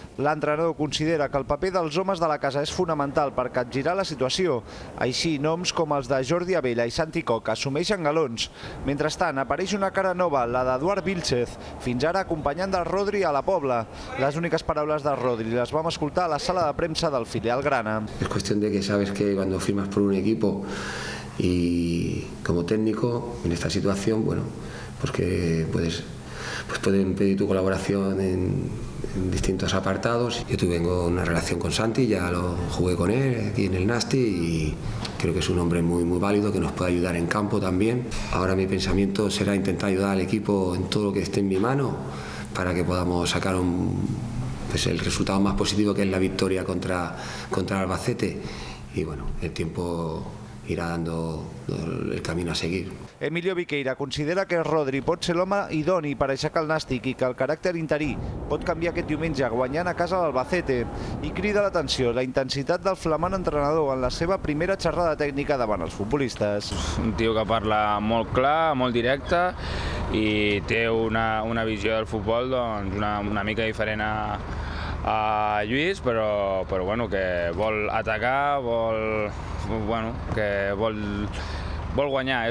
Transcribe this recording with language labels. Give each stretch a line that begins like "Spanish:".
Catalan: L'entrenador considera que el paper dels homes de la casa és fonamental per capgirar la situació. Així, noms com els de Jordi Abella i Santi Coca assumeixen galons. Mentrestant, apareix una cara nova, la d'Eduard Vílchez, fins ara acompanyant de Rodri a la Pobla. Les úniques paraules de Rodri les vam escoltar a la sala de premsa del filial Grana.
Spanish: Es cuestión de que sabes que cuando firmas por un equipo y como técnico en esta situación, bueno, pues que puedes, pues pueden pedir tu colaboración en distintos apartados. Yo tuve una relación con Santi, ya lo jugué con él aquí en el Nasti y creo que es un hombre muy, muy válido que nos puede ayudar en campo también. Ahora mi pensamiento será intentar ayudar al equipo en todo lo que esté en mi mano para que podamos sacar pues el resultado más positivo, que es la victoria contra Albacete. Y bueno, el tiempo irá dando el camino a seguir.
Catalan: Emilio Viqueira considera que Rodri pot ser l'home idoni per aixecar el Nàstic i que el caràcter interí pot canviar aquest diumenge guanyant a casa l'Albacete. I crida l'atenció la intensitat del flamant entrenador en la seva primera xerrada tècnica davant els futbolistes. Un tio que parla molt clar, molt directe, i té una visió del futbol doncs una mica diferent a Lluís, però bueno, que vol atacar, vol guanyar.